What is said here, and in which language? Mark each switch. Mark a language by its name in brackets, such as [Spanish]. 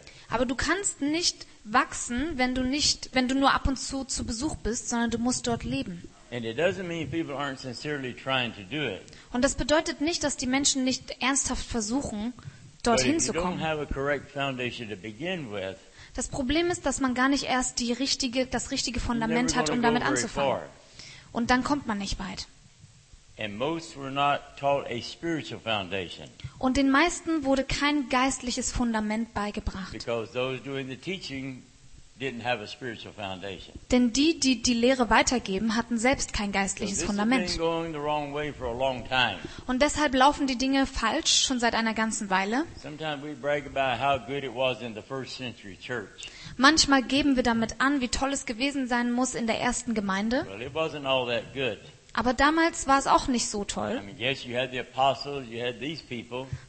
[German] Aber du kannst nicht wachsen, wenn du nur ab und zu Besuch bist, sondern du musst dort leben. [English] And it doesn't mean people aren't sincerely trying to do it. [German] Und das bedeutet nicht, dass die Menschen nicht ernsthaft versuchen, dorthin zu kommen. [English] But if you don't have a correct foundation to begin with, [German] das Problem ist, dass man gar nicht erst das richtige Fundament hat, um damit anzufangen. Und dann kommt man nicht weit. [English] And most were not taught a spiritual foundation. [German] Und den meisten wurde kein geistliches Fundament beigebracht. [English] Because those doing the teaching didn't have a spiritual foundation. [German] Denn die Lehre weitergeben, hatten selbst kein geistliches Fundament. [English] So this has been going the wrong way for a long time. [German] Und deshalb laufen die Dinge falsch schon seit einer ganzen Weile. [English] Sometimes we brag about how good it was in the first century church. [German] Manchmal geben wir damit an, wie toll es gewesen sein muss in der ersten Gemeinde. [English] Well, it wasn't all that good. [German] Aber damals war es auch nicht so toll. [English] I mean, yes, you had the apostles, you had these people.